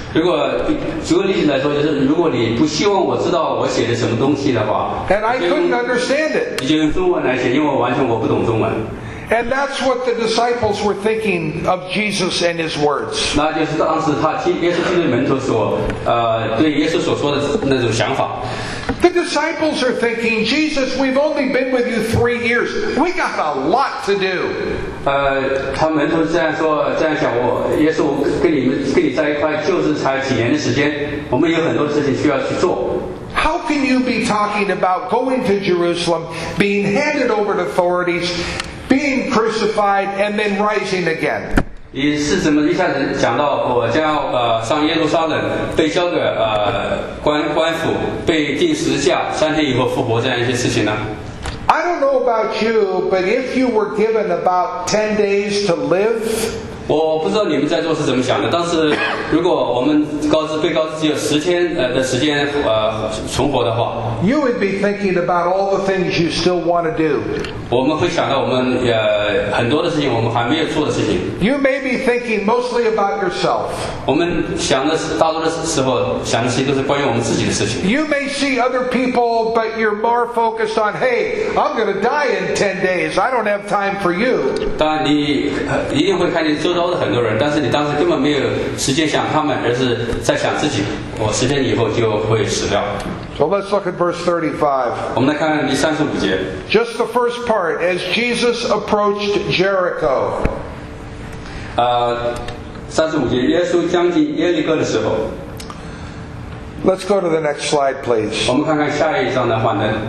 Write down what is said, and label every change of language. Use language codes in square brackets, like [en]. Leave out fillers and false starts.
[zh] 如果举个例子来说，就是如果你不希望我知道我写的什么东西的话， [en] and I couldn't understand it. [zh] 你就用中文来写，因为完全我不懂中文。 [en] And that's what the disciples were thinking of Jesus and his words. [zh] 那就是当时他耶稣基督的门徒所对耶稣所说的那种想法。 [en] The disciples are thinking, Jesus, we've only been with you 3 years. We got a lot to do. [zh] 他们都这样说，这样想我，耶稣跟你在一块就是才几年的时间，我们有很多事情需要去做。 [en] How can you be talking about going to Jerusalem, being handed over to authorities, being crucified, and then rising again? [zh] 你是怎么一下子讲到我将要上耶路撒冷，被交给官府，被钉十字架，三天以后复活这样一些事情呢？ [en] I don't know about you, but if you were given about 10 days to live, [zh] 我不知道你们在座是怎么想的，但是如果我们告知只有十天的时间存活的话， [en] you would be thinking about all the things you still want to do. [zh] 我们会想到我们很多的事情，我们还没有做的事情。 [en] You may be thinking mostly about yourself. [zh] 我们想的大多的时候想的其实都是关于我们自己的事情。 [en] You may see other people, but you're more focused on, hey, I'm going to die in 10 days. I don't have time for you. [zh] 当然你一定会看见周遭的很多人，但是你当时根本没有时间想他们，而是在想自己，我十天以后就会死掉。 [en] So let's look at verse 35. [zh] 我们来看看第三十五节。 [en] Just the first part, as Jesus approached Jericho. [zh] 三十五节，耶稣将近耶利哥的时候。 [en] Let's go to the next slide, please. [zh] 我们看看下一张的画面。